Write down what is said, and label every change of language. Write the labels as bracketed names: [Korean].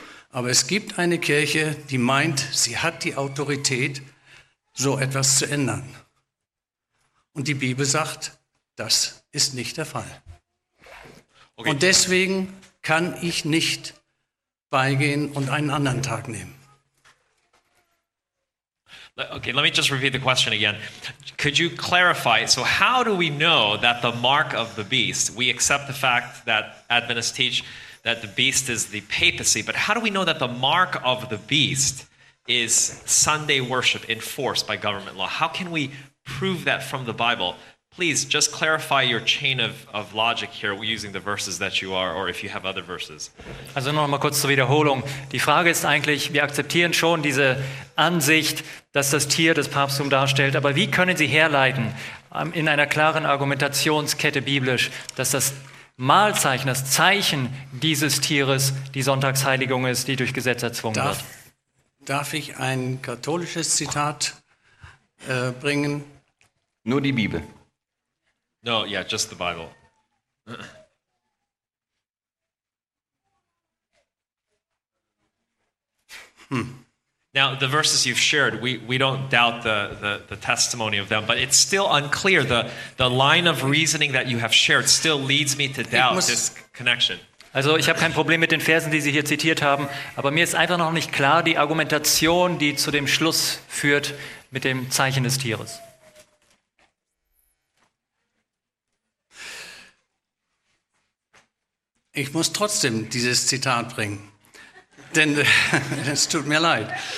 [German] Aber es gibt eine Kirche, die meint, sie hat die Autorität, so etwas zu ändern. Und die Bibel sagt, das ist nicht der Fall. Okay. Und deswegen kann ich nicht beigehen und einen anderen Tag nehmen. [English] Okay, let me just repeat the question again. Could you clarify, so how do we know that the mark of the beast, we accept the fact that Adventists teach that the beast is the papacy, but how do we know that the mark of the beast is Sunday worship enforced by government law? How can we prove that from the Bible? Please just clarify your chain of logic here using the verses that you are or if you have other verses. [German] Also noch mal kurz zur Wiederholung. Die Frage ist eigentlich, wir akzeptieren schon diese Ansicht, dass das Tier das Papsttum darstellt, aber wie können Sie herleiten in einer klaren Argumentationskette biblisch, dass das Mahlzeichen, das Zeichen dieses Tieres, die Sonntagsheiligung ist, die durch Gesetz erzwungen wird. Darf ich ein katholisches Zitat bringen? Nur die Bibel. [English] No, yeah, just the Bible. Now, the verses you've shared, we don't doubt the testimony of them, but it's still unclear. The line of reasoning that you have shared still leads me to doubt this connection. [German] Also, ich habe kein Problem mit den Versen, die Sie hier zitiert haben, aber mir ist einfach noch nicht klar die Argumentation, die zu dem Schluss führt mit dem Zeichen des Tieres. Ich muss trotzdem dieses Zitat bringen. Denn es tut mir leid.